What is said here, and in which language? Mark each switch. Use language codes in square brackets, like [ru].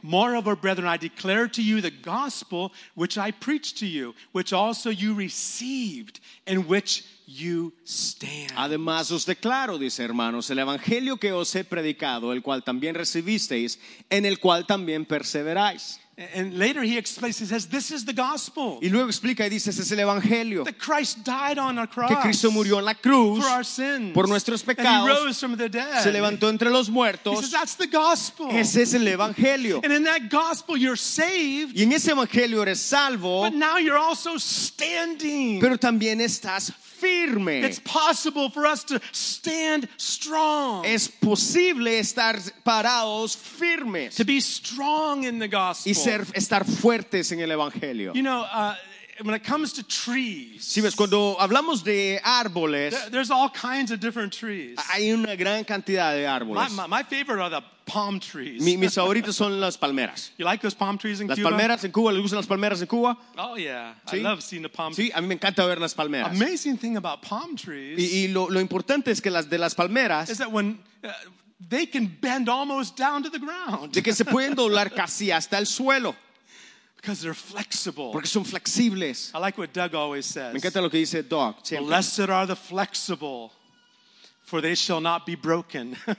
[en] Moreover, brethren, I declare to you the gospel which I preached to you, which also you received, in which you stand. [es] Además os declaro, dice hermanos, el evangelio que os he predicado, el cual también recibisteis, en el cual también perseveráis. [en] And later he explains, he says, this is the gospel. [es] Y luego explica y dice, ese es el evangelio. [en] That Christ died on a cross. [es] Que Cristo murió en la cruz. [en] For our sins. [es] Por nuestros pecados. [en] And he rose from the dead. [es] Se levantó entre los muertos. [en] He says, that's the gospel. [es] Ese es el evangelio. [en] And in that gospel you're saved. [es] Y en ese evangelio eres salvo. [en] But now you're also standing. [es] Pero también estás firme. [en] It's possible for us to stand strong. [es] Es posible estar parados firmes. [en] To be strong in the gospel. [es] Y estar fuertes en el evangelio. [en] You know, when it comes to trees, [es] si ves, cuando hablamos de árboles, [en] there's all kinds of different trees. [es] Hay una gran cantidad de árboles. [en] My favorite are the palm trees. [es] Mis favoritos son las palmeras. [en] You like those palm trees in [es] las [en] Cuba? [es] Palmeras en Cuba, ¿les gustan las palmeras en Cuba? [en] Oh yeah, sí. I love seeing the palm [es] trees. Sí, a mí me encanta ver las palmeras. [en] Amazing thing about palm trees. [es] Y lo importante es que las de las palmeras [en] is that when they can bend almost down to the ground. [es] De que se pueden doblar casi hasta el suelo. [en] Because they're flexible. [es] Porque son flexibles. [en] I like what Doug always says. [es] Me encanta lo que dice Doug. Siempre. [en] Blessed are the flexible, for they shall not be broken.